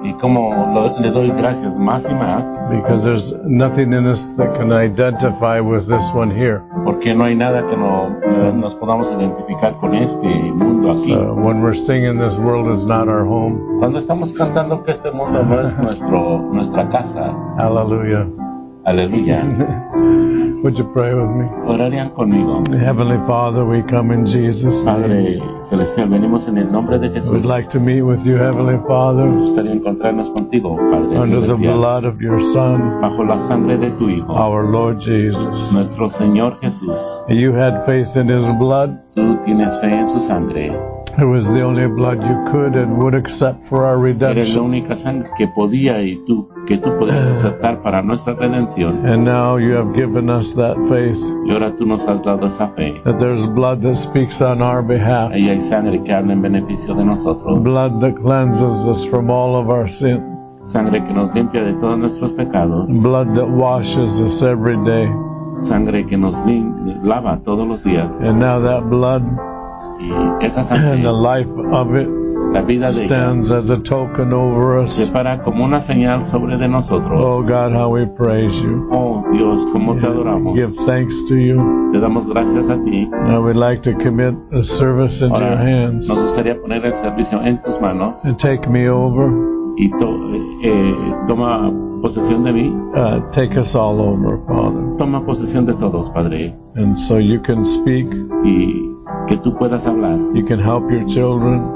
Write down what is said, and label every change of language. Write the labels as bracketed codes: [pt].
[es] Y como le doy gracias más y más. [en] Because there's nothing in us that can identify with this one here. [es] Porque no hay nada que nos podamos identificar con este mundo aquí. [en] When we're singing, this world is not our home. [es] Cuando estamos cantando que este mundo no es nuestra casa. Hallelujah. Hallelujah. [en] Would you pray with me? [es] ¿Orarían conmigo? [en] Heavenly Father, we come in Jesus' name. [es] Padre celestial, venimos en el nombre de Jesús. [en] We'd like to meet with you, Heavenly Father. [es] Nos gustaría encontrarnos contigo, Padre [en] under [es] celestial. [en] The blood of your Son. [es] Bajo la sangre de tu Hijo. [en] Our Lord Jesus. [es] Nuestro Señor Jesús. [en] You had faith in his blood. [es] Tú tienes fe en su sangre. [en] It was the only blood you could and would accept for our redemption. [es] Era la única sangre que podía y tú podías aceptar para nuestra redención. [en] And now you have given us that faith. [es] Y ahora tú nos has dado esa fe. [en] That there's blood that speaks on our behalf. [es] Y hay sangre que habla en beneficio de nosotros. [en] Blood that cleanses us from all of our sin. [es] Sangre que nos limpia de todos nuestros pecados. [en] Blood that washes us every day. [es] Sangre que nos lava todos los días. [en] And now that blood. [es] Y esa sangre, [en] and the life of it [es] la vida de [en] stands as a token over us. [es] Se para como una señal sobre de nosotros. [en] Oh God, how we praise you. [es] Oh Dios, cómo te adoramos. [en] Give thanks to you. [es] Te damos gracias a ti. [en] Now we'd like to commit the service into [es] ahora, [en] your hands. [es] Nos gustaría poner el servicio en tus manos. [en] And take me over. [es] Y toma posesión de mí. [en] Take us all over, Father. [es] Toma posesión de todos, Padre. [en] And so you can speak. [es] Y que tú puedas hablar. [en] You can help your children.